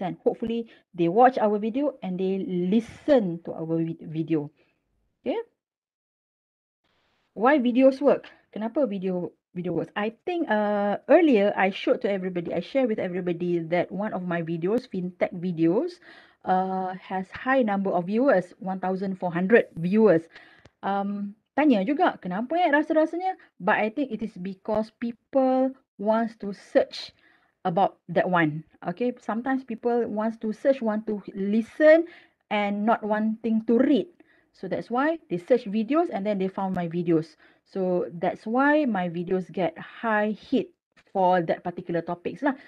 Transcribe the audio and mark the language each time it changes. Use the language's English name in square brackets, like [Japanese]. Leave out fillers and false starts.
[English] Hopefully, they watch our video and they listen to our video. Okay. Why videos work? Kenapa video works? I think earlier I showed to everybody, I share with everybody that one of my videos, fintech videos, has high number of viewers, 1,400 viewers. [Malay] Tanya juga, kenapa ya rasa-rasanya? [English] But I think it is because people wants to search about that one. Okay, sometimes people wants to search, want to listen and not wanting to read. So that's why they search videos and then they found my videos. So that's why my videos get high hit for that particular topics lah.